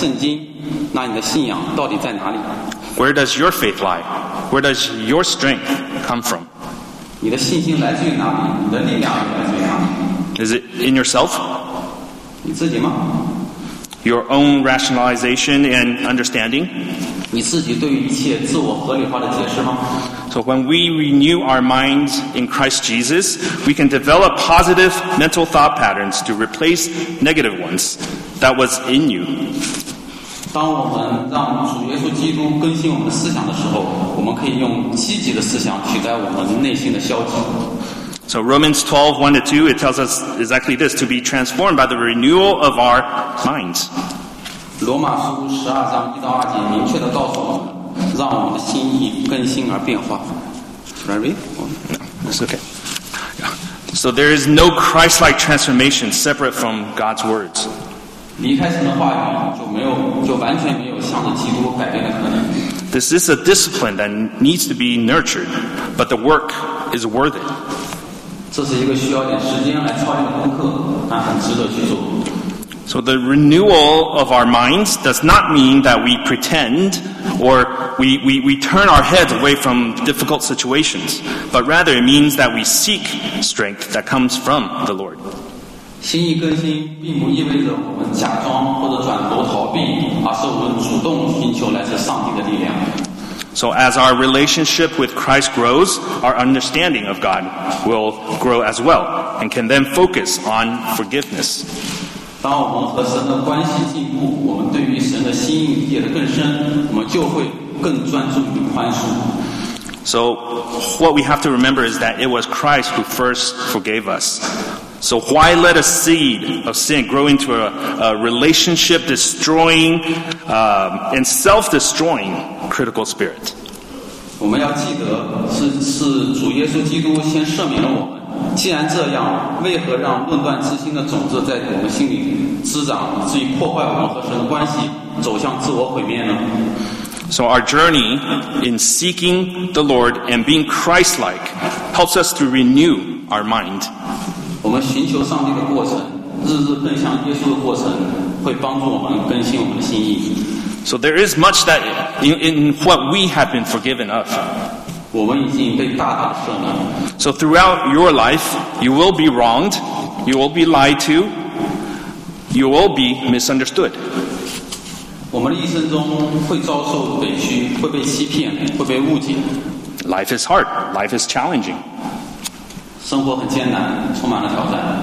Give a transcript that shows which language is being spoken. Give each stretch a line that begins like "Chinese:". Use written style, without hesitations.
Chinese: 如果你的信心不是建立在上帝的话语之上，如果你怀疑他的话，甚至怀疑圣经，那你的信仰到底在哪里？
English: Where does your faith lie? Where does your strength come from?
Chinese: 你的信心来自于哪里？你的力量来自于哪里？
English: Is it in yourself?
Chinese: 你自己吗？
English: Your own rationalization and understanding?
Chinese: 你自己对一切自我合理化的解释吗？
English: So when we renew our minds in Christ Jesus, we can develop positive mental thought patterns to replace negative ones that was in you.
Chinese: 当我们让主耶稣基督更新我们的思想的时候，我们可以用积极的思想取代我们内心的消极。
English: So Romans 12:1-2, it tells us exactly this, to be transformed by the renewal of our minds.
Chinese: 罗马书十二章一到二节明确地告诉我们，让我们的心意更新而变化。
English: Should I read? That's okay. So there is no Christ-like transformation separate from God's words.
Chinese: 离开神的话语就没有，就完全没有向着基督改变的可能。
English: This is a discipline that needs to be nurtured, but the work is worth it.
Chinese: 这是一个需要点时间来操练的功课，但很值得去做。
English: So the renewal of our minds does not mean that we pretend or we turn our heads away from difficult situations, but rather it means that we seek strength that comes from the Lord.
Chinese: 心意更新并不意味着我们假装或者转头逃避，而是我们主动寻求来自上帝的力量。
English: So as our relationship with Christ grows, our understanding of God will grow as well, and can then focus on forgiveness.
Chinese: 当我们和神的关系进步，我们对于神的心意理解得更深，我们就会更专注于宽恕。
English: So, what we have to remember is that it was Christ who first forgave us. So why let a seed of sin grow into a relationship-destroying and self-destroying critical spirit?
Chinese: 我们要记得是主耶稣基督先赦免了我们。既然这样，为何让论断之心的种子在我们心里滋长，以至于破坏我们和神的关系，走向自我毁灭呢？
English: So our journey in seeking the Lord and being Christ-like helps us to renew our mind.
Chinese: 我们寻求上帝的过程，日日奔向耶稣的过程，会帮助我们更新我们的心意。
English: So there is much that in what we have been forgiven of.
Chinese: 我们已经被大大赦免。
English: So throughout your life, you will be wronged, you will be lied to, you will be misunderstood.
Chinese: 我们的一生中会遭受委屈，会被欺骗，会被误解。
English: Life is hard, life is challenging.
Chinese: 生活很艰难，充满了挑战。